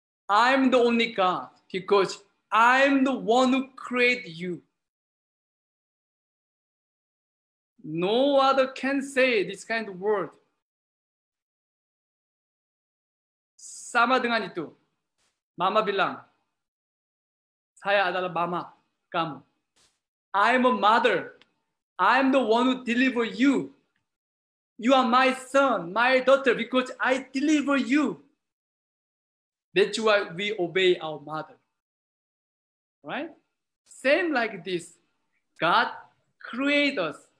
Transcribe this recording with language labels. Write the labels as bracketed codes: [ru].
[en] I'm the only God because I'm the one who created you. No other can say this kind of word. [id] Sama dengan itu, Mama bilang, saya adalah Mama, kamu. [en] I'm a mother. I'm the one who deliver you. You are my son, my daughter, because I deliver you. That's why we obey our mother. Right? Same like this. God created us.